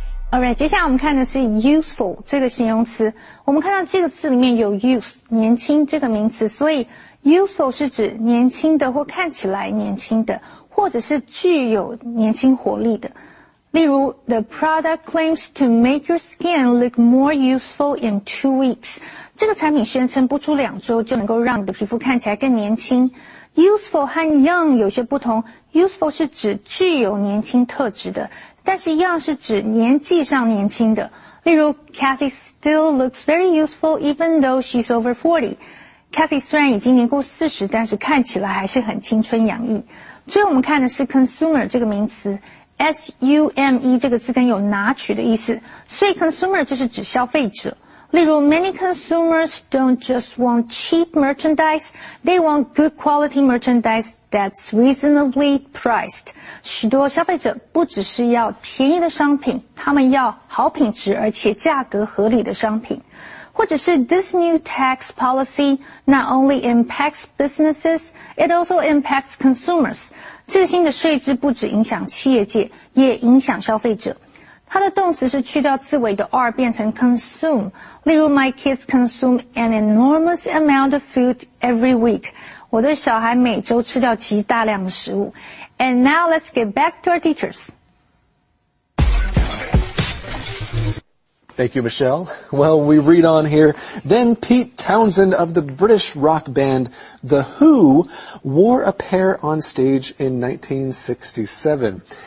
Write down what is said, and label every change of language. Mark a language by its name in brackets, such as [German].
[Chinese] Alright, 接下来我们看的是 useful 这个形容词。我们看到这个字里面有 youth, 年轻这个名词，所以 useful 是指年轻的或看起来年轻的，或者是具有年轻活力的。例如 [English] ,the product claims to make your skin look more youthful in 2 weeks. [Chinese] 这个产品宣称不出两周就能够让你的皮肤看起来更年轻。 useful 和 young 有些不同 ,useful 是指具有年轻特质的。但是一样是指年纪上年轻的。例如 [English] ,Kathy still looks very youthful even though she's over 40. [Chinese] Kathy 虽然已经年过40,但是看起来还是很青春洋溢。最后我们看的是 consumer 这个名词。S-U-M-E 这个字根有拿取的意思。所以 consumer 就是指消费者。例如 [English] ,many consumers don't just want cheap merchandise, they want good quality merchandise that's reasonably priced. [Chinese] 许多消费者不只是要便宜的商品,他们要好品质而且价格合理的商品。或者是 [English] this new tax policy not only impacts businesses, it also impacts consumers. [Chinese] 这新的税制不只影响企业界，也影响消费者。它的动词是去掉字尾的 r 变成 consume。例如 [English] my kids consume an enormous amount of food every week. [Chinese] 我的小孩每周吃掉极大量的食物。 [English] And now let's get back to our teachers. Thank you, Michelle. Well, we read on here. Then Pete Townsend of the British rock band The Who wore a pair on stage in 1967.